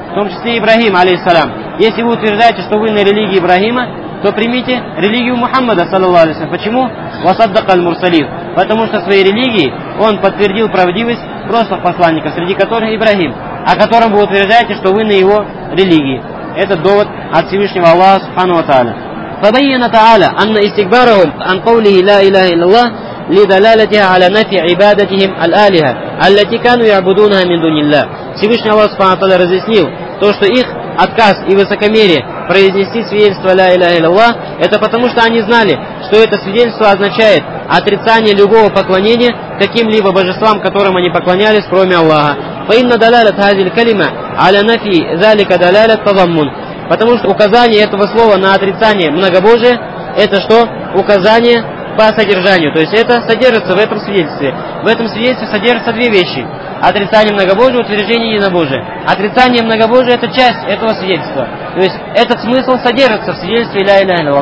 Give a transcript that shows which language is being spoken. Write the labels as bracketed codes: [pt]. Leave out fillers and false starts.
[ru] В том числе Ибрахим, алейхиссалям. Если вы утверждаете, что вы на религии Ибрахима, то примите религию Мухаммада, саллаллаху алейхи ва саллям. Почему? [ar] «Ва саддака аль мурсалин». [ru] Потому что своей религией он подтвердил правдивость прошлых посланников, среди которых Ибрахим, о котором вы утверждаете, что вы на его религии. Это довод от Всевышнего Аллаха Субхану ва Тааля. [ar] فبين تعالى أن استكبارهم عن قوله لا إله إلا الله لدلالتها على نفي عبادتهم الآلهة التي كانوا يعبدونها من دون الله. [ru] Всевышний Аллах Субхану ва Тааля разъяснил то, что их отказ и высокомерие произнести свидетельство «Ля Илля Илля», это потому, что они знали, что это свидетельство означает отрицание любого поклонения каким-либо божествам, которым они поклонялись, кроме Аллаха. [ar] فإن دلالة هذه الكلمة على نفي ذلك دلالة تضمن. [ru] Потому что указание этого слова на отрицание многобожия, это что? Указание по содержанию. То есть это содержится в этом свидетельстве. В этом свидетельстве содержатся две вещи. Отрицание многобожия, утверждение единобожия. Отрицание многобожия – это часть этого свидетельства. То есть этот смысл содержится в свидетельстве «Ля Илля Илля».